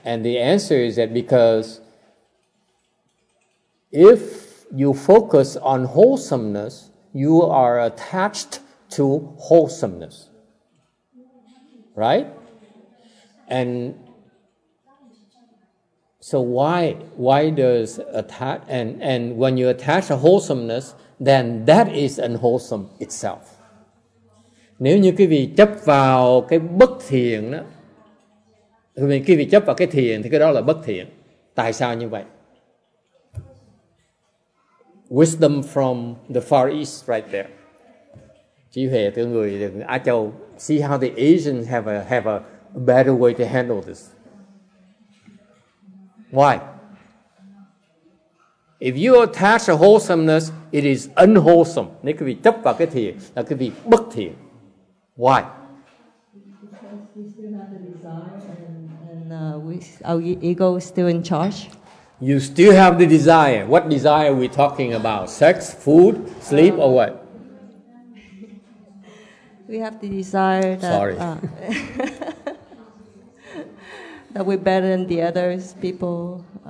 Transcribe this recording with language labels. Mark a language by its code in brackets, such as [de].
[en] And the answer is that because if you focus on wholesomeness, you are attached to wholesomeness. Right? And so why does attach and when you attach a wholesomeness, then that is unwholesome itself. [vi] Nếu như quý vị chấp vào cái bất thiện đó, thì quý vị chấp vào cái thiện thì cái đó là bất thiện. Tại sao như vậy? [en] Wisdom from the Far East right there. [vi] Chí huệ từ người Á Châu. [en] See how the Asians have a better way to handle this. Why? If you attach a wholesomeness, it is unwholesome. [vi] Nếu quý vị chấp vào cái thiện là quý vị bất thiện. [en] Why? Because we still have the desire and our ego is still in charge. You still have the desire. What desire are we talking about? Sex, food, sleep, or what? We have the desire that... Sorry. that we're better than the others, people.